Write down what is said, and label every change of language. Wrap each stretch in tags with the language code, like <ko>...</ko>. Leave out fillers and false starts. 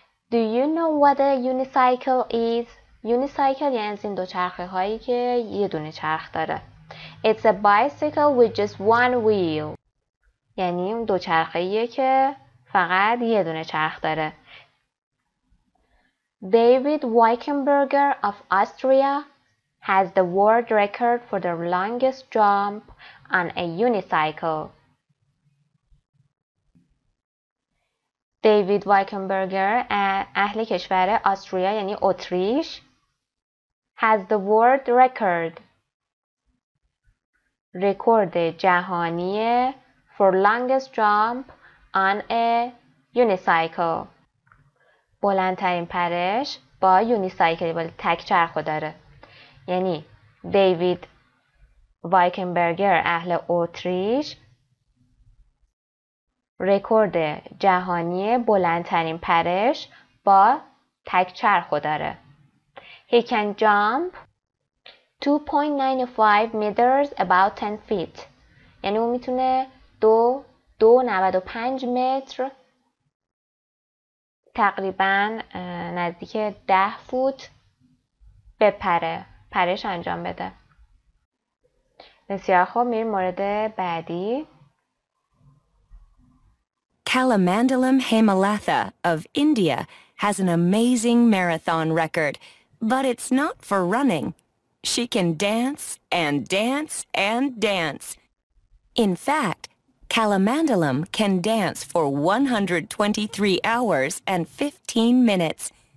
<en>Do you know what a unicycle is?</en> <fa>Unicycle یعنی از این دوچرخه هایی که یه دونه چرخ داره.</fa> <en>It's a bicycle with just one wheel.</en> <fa>یعنی اون دوچرخه ایه که فقط یه دونه چرخ داره.</fa> <en>David Weichenberger of Austria has the world record for the longest jump on a unicycle.</en> <fa>دیوید وایکنبرگر اهل کشور استریا یعنی اتریش</fa> <en>has the world record</en> <fa>رکورد جهانی</fa> <en>for longest jump on a unicycle.</en> <fa>بلندترین پرش با یونیسایکل با تک چرخ داره. یعنی دیوید وایکنبرگر اهل اتریش رکورد جهانی بلندترین پرش با تک چرخ داره.</fa> <en>He can jump 2.95 meters about 10 feet.</en> <fa>یعنی اون میتونه 2.95 متر تقریبا نزدیک 10 فوت بپره. پرش انجام بده. بسیار خوب, میریم مورد بعدی.</fa> <en>Kalamandalam Hemalatha of India has an amazing marathon record, but it's not for running. She can dance and dance and dance. In fact, Calamandalam can dance for 123 hours and 15 minutes.</en>